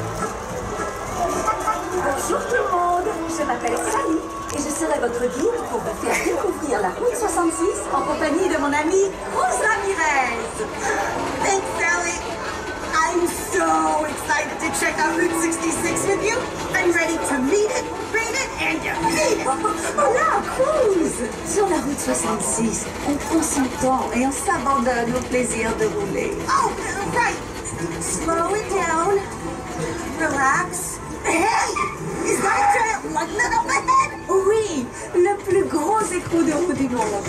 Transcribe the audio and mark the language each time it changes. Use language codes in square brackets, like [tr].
[fr] Bonjour tout le monde, je m'appelle Sally et je serai votre guide pour vous faire découvrir la route 66 en compagnie de mon amie Rosa Mirez. [en] Thanks, Sally. I'm so excited to check out Route 66 with you. I'm ready to meet it, bring it, and defeat it. [fr] Oh, là, cruise! Sur la route 66, on prend son temps et on s'abandonne au plaisir de rouler. [en] Oh, right. Slow it down. Relax. Hey! Is that a giant lugnut on my head? [fr] Oui, le plus gros écrou de roue du monde.